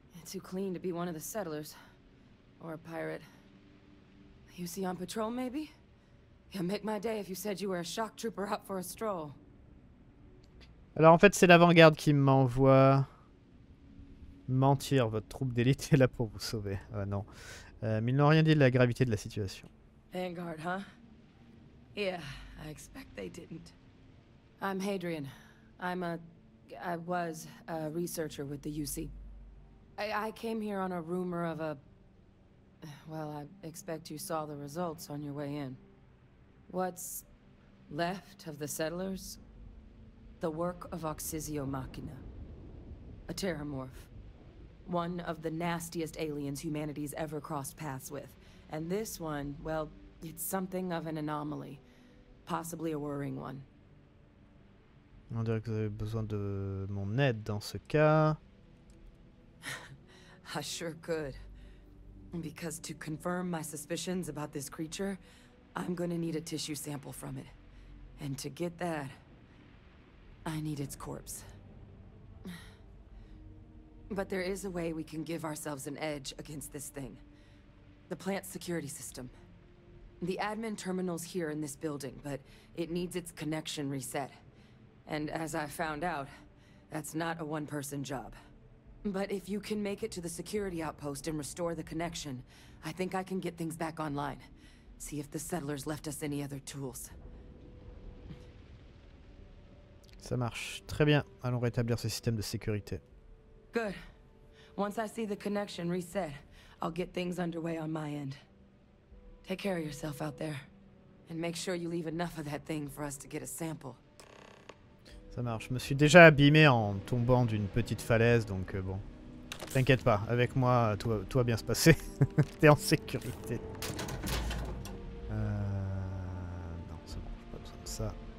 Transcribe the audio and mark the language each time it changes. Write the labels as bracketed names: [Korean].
[English] Too clean to be one of the settlers. Or a pirate. You see on patrol, maybe? You'd make my day if you said you were a shock trooper out for a stroll. [French] Alors en fait, c'est l'avant-garde qui m'envoie mentir. Votre troupe d'élite est là pour vous sauver. Ah non. Mais ils n'ont rien dit de la gravité de la situation. [English] Vanguard, huh? Yeah, I expect they didn't. I'm Hadrian. I was a researcher with the UC. I came here on a rumor of a... Well, I expect you saw the results on your way in. What's left of the settlers? The work of Oxysio Machina. A terramorph. One of the nastiest aliens humanity's ever crossed paths with. And this one, well, it's something of an anomaly. Possibly a worrying one. [French] On dirait que vous avez besoin de mon aide dans ce cas. [English] I sure could. Because to confirm my suspicions about this creature, I'm gonna need a tissue sample from it. And to get that, I need its corpse. But there is a way we can give ourselves an edge against this thing. The plant security system. The admin terminal's here in this building, but it needs its connection reset. And as I found out, that's not a one-person job. But if you can make it to the security outpost and restore the connection, I think I can get things back online. See if the settlers left us any other tools. [French] Ça marche. Très bien. Allons rétablir ce système de sécurité. [English] Good. Once I see the connection reset, I'll get things underway on my end. Take care of yourself out there. And make sure you leave enough of that thing for us to get a sample. [French] Ça marche, je me suis déjà abîmé en tombant d'une petite falaise, donc bon. T'inquiète pas, avec moi, tout va bien se passer. T'es en sécurité. Non, c'est bon, j'ai pas besoin de ça.